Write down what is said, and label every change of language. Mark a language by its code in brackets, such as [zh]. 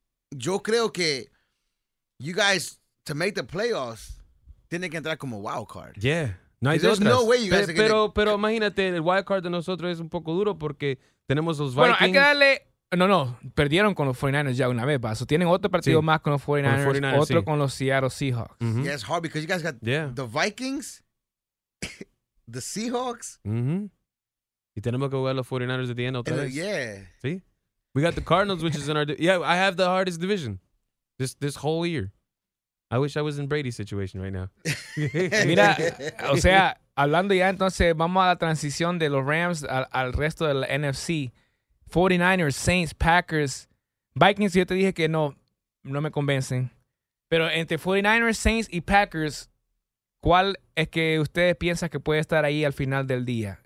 [es] Yo creo que [en] you guys, to make the playoffs, [es] tienen que entrar como wild card. Yeah. No hay [en] There's [es] otras. [en] No way you guys are [es] pero, gonna... pero imagínate, el wild card de nosotros es un poco duro porque tenemos los Vikings. Bueno, hay que darle... No, perdieron con los 49ers ya una vez, paso. Tienen otro partido más con los 49ers, con los 49ers, con los Seattle Seahawks. Mm-hmm. [en] Yeah, it's hard because you guys got the Vikings... The Seahawks? [es] Mm-hmm. Y tenemos que jugar los 49ers [en] at the end [es] otra vez. [en] Yeah. [es] ¿Sí? [en] We got the Cardinals, which is in our... Yeah, I have the hardest division this whole year. I wish I was in Brady's situation right now. [es] Mira, o sea, hablando ya, entonces vamos a la transición de los Rams al resto del NFC. 49ers, Saints, Packers, Vikings, yo te dije que no me convencen. Pero entre 49ers, Saints y Packers, ¿cuál es que ustedes piensan que puede estar ahí al final del día?